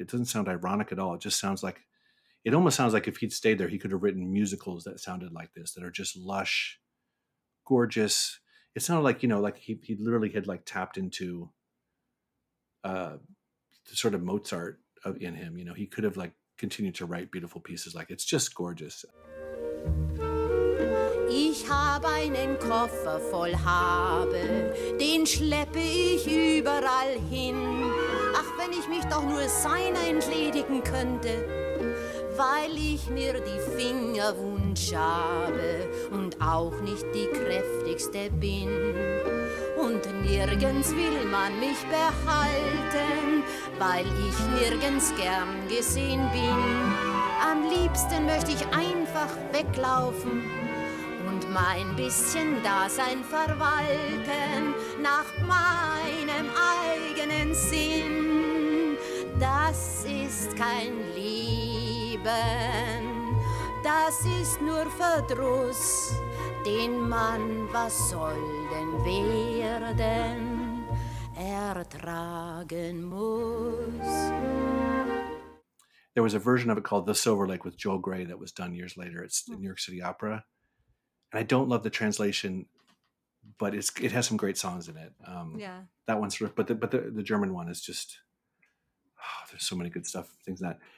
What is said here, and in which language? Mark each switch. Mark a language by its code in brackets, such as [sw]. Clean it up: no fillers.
[en] It doesn't sound ironic at all. It almost sounds like if he'd stayed there, he could have written musicals that sounded like this, that are just lush, gorgeous. It sounded like, you know, like he literally had like tapped into the sort of Mozart in him, you know, he could have like continued to write beautiful pieces. Like, it's just gorgeous. [de] Ich habe einen Koffer voll Habe, den schleppe ich überall hin. Ach, wenn ich mich doch nur seiner entledigen könnte, weil ich mir die Finger wunsch habe und auch nicht die kräftigste bin. Und nirgends will man mich behalten, weil ich nirgends gern gesehen bin. Am liebsten möchte ich einfach weglaufen und und mein bisschen Dasein verwalten nach meinem eigenen Sinn. Das ist kein Leben, das ist nur Verdruss, den man, was soll denn werden, ertragen muss. [en] There was a version of it called The Silver Lake with Joel Grey that was done years later. It's the New York City Opera. And I don't love the translation, but it has some great songs in it. Yeah. That one's, but the German one is just, oh, there's so many good stuff, things like that.